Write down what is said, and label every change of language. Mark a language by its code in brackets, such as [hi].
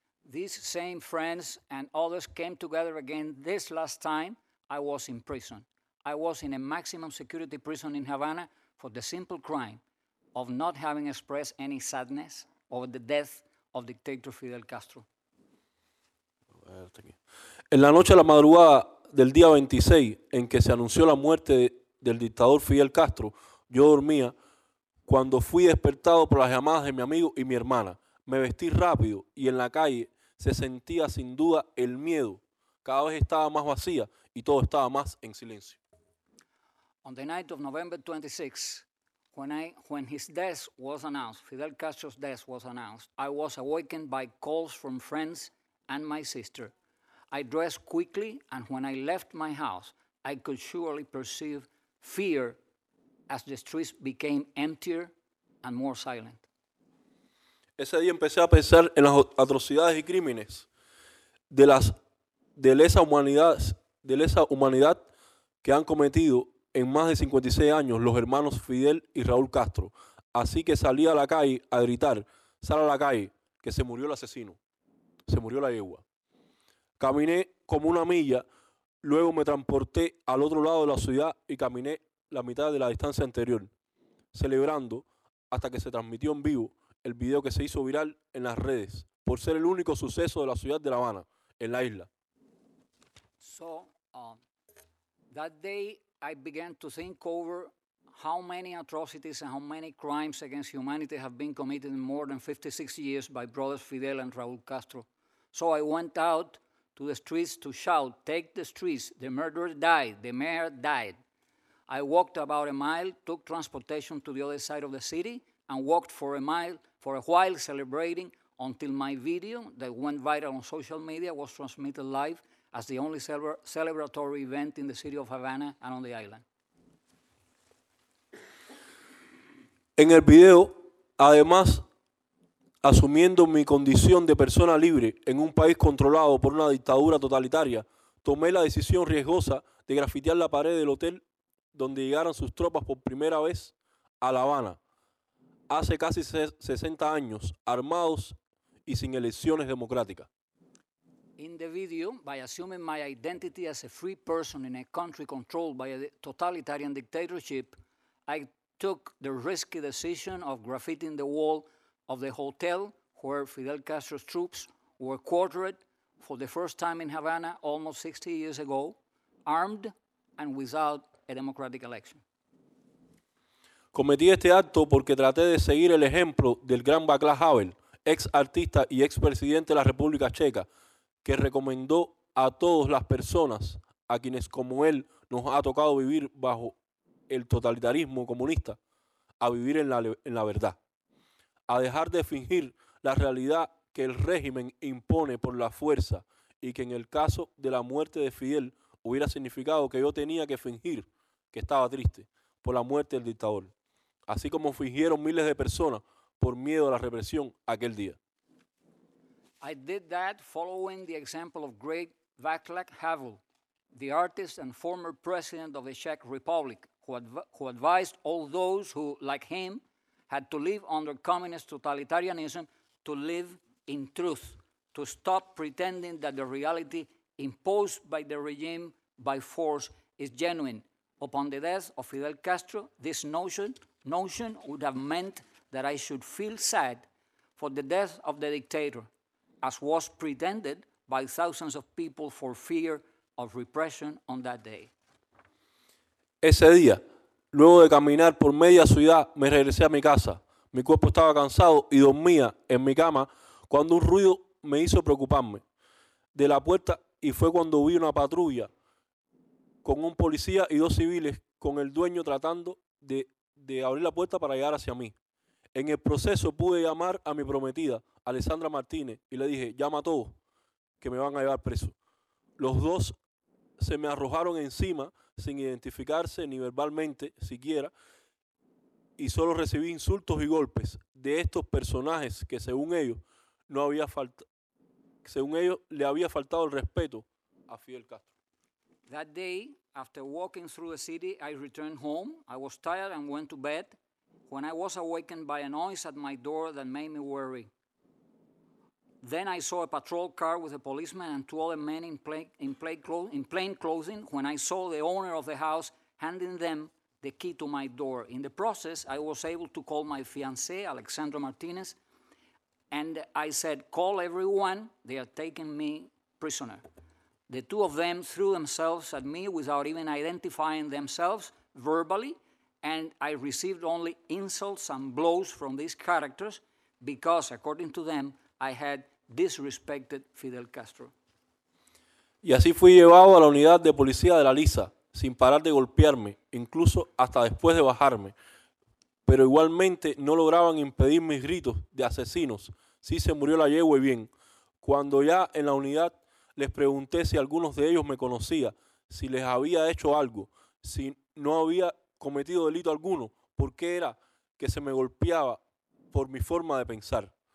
[en] These same friends and others came together again this last time I was in prison. I was in a maximum security prison in Havana for the simple crime of not having expressed any sadness over the death of dictator Fidel Castro. [es] En la noche a la madrugada del día 26, en que se anunció la muerte del dictador Fidel Castro, yo dormía cuando fui despertado por las llamadas de mi amigo y mi hermana. Me vestí rápido y en la calle se sentía sin duda el miedo. Cada vez estaba más vacía y todo estaba más en silencio. [en] On the night of November 26, when his death was announced, Fidel Castro's death was announced, I was awakened by calls from friends and my sister. I dressed quickly, and when I left my house, I could surely perceive fear as the streets became emptier and more silent. [es] Ese día empecé a pensar en las atrocidades y crímenes de lesa humanidad que han cometido en más de 56 años los hermanos Fidel y Raúl Castro. Así que salí a la calle a gritar, sal a la calle, que se murió el asesino, se murió la yegua. Caminé como una milla, luego me transporté al otro lado de la ciudad y caminé la mitad de la distancia anterior, celebrando hasta que se transmitió en vivo el video que se hizo viral en las redes por ser el único suceso de la ciudad de La Habana, en la isla. [en] So, that day I began to think over how many atrocities and how many crimes against humanity have been committed in more than 56 years by brothers Fidel and Raúl Castro. So I went out to the streets to shout, take the streets, the murderer died, the mayor died. I walked about a mile, took transportation to the other side of the city, and walked for a mile for a while celebrating until my video that went viral on social media was transmitted live as the only celebratory event in the city of Havana and on the island. [es] En el video, además, asumiendo mi condición de persona libre en un país controlado por una dictadura totalitaria, tomé la decisión riesgosa de grafitear la pared del hotel donde llegaron sus tropas por primera vez a La Habana, hace casi 60 años, armados y sin elecciones democráticas. [en] In the video, by assuming my identity as a free person in a country controlled by a totalitarian dictatorship, I took the risky decision of graffitiing the wall of the hotel where Fidel Castro's troops were quartered for the first time in Havana almost 60 years ago, armed and without a democratic election. [es] Cometí este acto porque traté de seguir el ejemplo del gran Václav Havel, ex artista y ex presidente de la República Checa, que recomendó a todas las personas a quienes como él nos ha tocado vivir bajo el totalitarismo comunista a vivir en la verdad. A dejar de fingir la realidad que el régimen impone por la fuerza y que en el caso de la muerte de Fidel hubiera significado que yo tenía que fingir que estaba triste por la muerte del dictador, así como fingieron miles de personas por miedo a la represión aquel día. [en] I did that following the example of great Václav Havel, the artist and former president of the Czech Republic, who advised all those who, like him, had to live under communist totalitarianism to live in truth, to stop pretending that the reality imposed by the regime by force is genuine. Upon the death of Fidel Castro, this notion would have meant that I should feel sad for the death of the dictator, as was pretended by thousands of people for fear of repression on that day. [es] Ese día, luego de caminar por media ciudad, me regresé a mi casa. Mi cuerpo estaba cansado y dormía en mi cama cuando un ruido me hizo preocuparme de la puerta y fue cuando vi una patrulla con un policía y dos civiles con el dueño tratando de abrir la puerta para llegar hacia mí. En el proceso pude llamar a mi prometida, Alessandra Martínez, y le dije, llama a todos que me van a llevar preso. Los dos se me arrojaron encima sin identificarse ni verbalmente siquiera, y solo recibí insultos y golpes de estos personajes que según ellos le había faltado el respeto a Fidel Castro. [en] That day, after walking through the city, I returned home. I was tired and went to bed when I was awakened by a noise at my door that made me worry. Then I saw a patrol car with a policeman and two other men in plain clothing when I saw the owner of the house handing them the key to my door. In the process, I was able to call my fiancé, Alexandra Martinez, and I said, call everyone, they are taking me prisoner. The two of them threw themselves at me without even identifying themselves verbally, and I received only insults and blows from these characters because, according to them, I had disrespected Fidel Castro. [es] Y así fui llevado a la unidad de policía de la Lisa, sin parar de golpearme, incluso hasta después de bajarme. Pero igualmente no lograban impedir mis gritos de asesinos. Sí se murió la yegua y bien. Cuando ya en la unidad les pregunté si algunos de ellos me conocía, si les había hecho algo, si no había cometido delito alguno, ¿por qué era que se me golpeaba por mi forma de pensar?